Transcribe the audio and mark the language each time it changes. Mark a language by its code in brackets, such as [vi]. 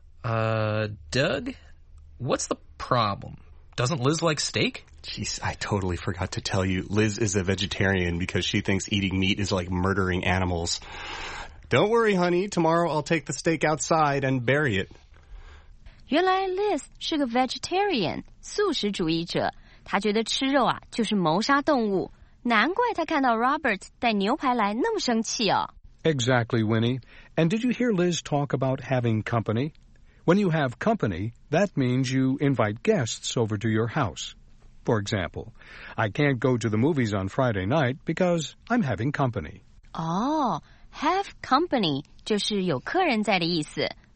[en] Doug? What's the problem? Doesn't Liz like steak? Jeez, I totally forgot to tell you. Liz is a vegetarian because she thinks eating meat is like murdering animals. Don't worry, honey. Tomorrow I'll take the steak outside and bury it. [zh] 原来 Liz 是个 vegetarian, 素食主义者。他觉得吃肉啊就是谋杀动物，难怪他看到 Robert 带牛排来那么生气哦。 [en] Exactly, Winnie. And did you hear Liz talk about having company? When you have company, that means you invite guests over to your house. For example, I can't go to the movies on Friday night because I'm having company. [zh] Oh, have company 就是有客人在的意思。